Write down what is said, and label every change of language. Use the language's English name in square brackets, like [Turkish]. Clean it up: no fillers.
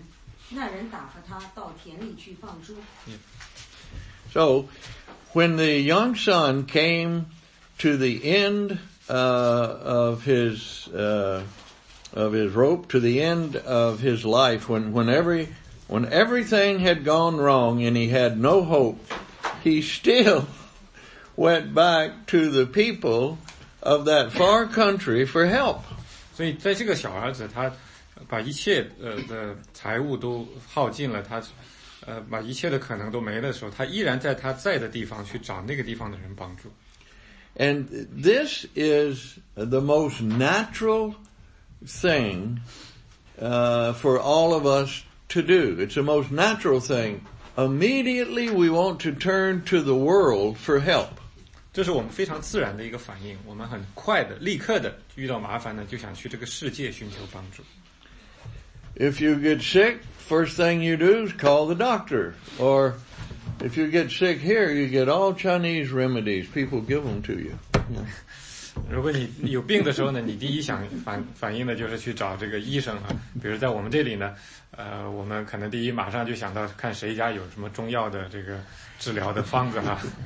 [Chinese] 谁帮我们读一下14、15节？既耗尽了一切所有的，又遇着那地方大遭饥荒，就穷苦起来。于是去投靠那地方的一个人，那人打发他到田里去放猪。 [English] So, when the young son came to the end of his rope, to the end of his life, when everything had gone wrong and he had no hope, he still went back to the people of that far country for help. [Chinese] 所以在这个小儿子他把一切的财物都耗尽了，他把一切的可能都没的时候，他依然在他在的地方去找那个地方的人帮助。 [English] And this is the most natural thing for all of us to do. It's the most natural thing. Immediately we want to turn to the world for help. [Chinese] 这是我们非常自然的一个反应，我们很快的立刻的遇到麻烦呢就想去这个世界寻求帮助。 [English] If you get sick, first thing you do is call the doctor. Or if you get sick here, you get all Chinese remedies. People give them to you. [Chinese] 如果你有病的时候呢，你第一想反应的就是去找这个医生啊。比如在我们这里呢，我们可能第一马上就想到看谁家有什么中药的这个治疗的方子啊。